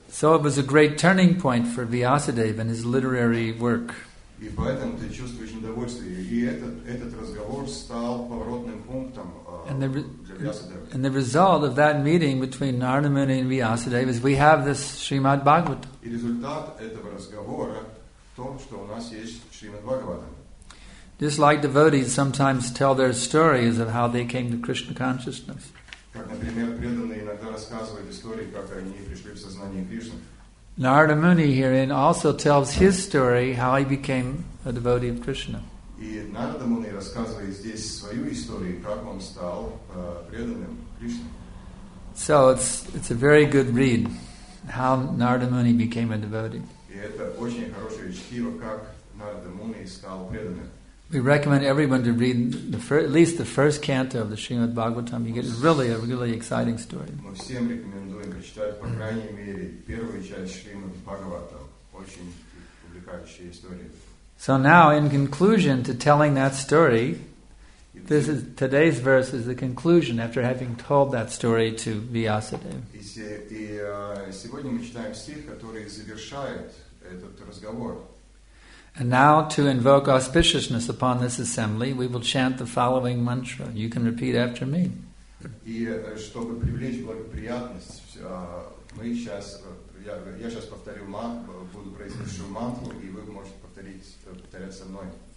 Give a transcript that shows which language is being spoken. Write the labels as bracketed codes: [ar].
[en] So it was a great turning point for Vyāsadeva and his literary work. [ru] И поэтому ты чувствуешь недовольство. И этот разговор стал поворотным пунктом для Vyāsadeva. [en] And the result of that meeting between Narada Muni and Vyāsadeva is we have this Srimad Bhagavatam. [ru] И результат этого разговора в том, что у нас есть Srimad Bhagavatam. [en] Just like devotees sometimes tell their stories of how they came to Krishna consciousness. [ru] Как, например, преданные иногда рассказывают истории, как они пришли в сознание Кришны. [en] Narada Muni herein also tells his story how he became a devotee of Krishna. [ru] И Narada Muni рассказывает здесь свою историю, как он стал преданным Кришне. [en] So it's a very good read how Narada Muni became a devotee. [ru] И это очень хорошее чтиво, как Narada Muni стал преданным. [en] We recommend everyone to read at least the first canto of the Srimad Bhagavatam. You get really a really exciting story. [ru] Мы всем рекомендуем прочитать, по крайней мере, первую часть Шримад Бхагаватам. Очень увлекающая история. [en] So now, in conclusion to telling that story, this is today's verse is the conclusion after having told that story to Vyāsadeva. [ru] И сегодня мы читаем стих, который завершает этот разговор. [en] And now, to invoke auspiciousness upon this assembly, we will chant the following mantra. You can repeat after me. [ru] И чтобы привлечь благоприятность, мы сейчас, я сейчас повторю буду произносить мантру, и вы можете повторять со мной.